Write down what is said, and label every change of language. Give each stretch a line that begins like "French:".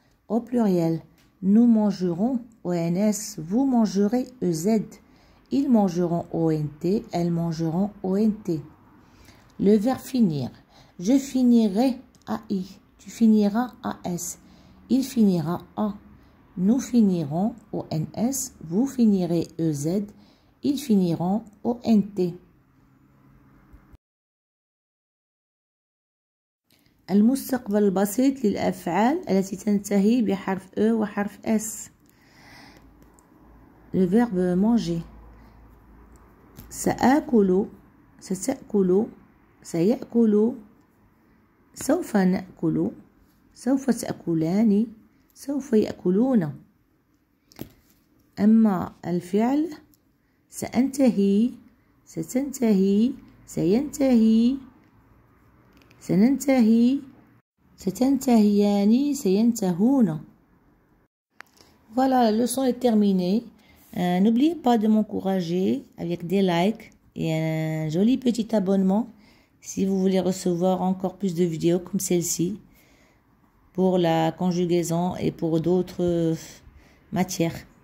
French: Au pluriel, nous mangerons ONS, vous mangerez EZ, ils mangeront ONT, elles mangeront ONT. Le verbe finir. Je finirai à I, tu finiras à S, il finira à. Nous finirons ONS, vous finirez EZ, ils finiront ONT.
Arabic: المستقبل البسيط للأفعال التي تنتهي بحرف E وحرف S.
French: Le verbe manger.
Arabic: سأكل, ستأكل, سيأكل, سوف نأكل, سوف تأكلان, سوف يأكلون. أما الفعل سأنتهي, ستنتهي, سينتهي, سننتهي, ستنتهيان, سينتهون.
French: Voilà, la leçon est terminée. N'oubliez pas de m'encourager avec des likes et un joli petit abonnement si vous voulez recevoir encore plus de vidéos comme celle-ci pour la conjugaison et pour d'autres matières.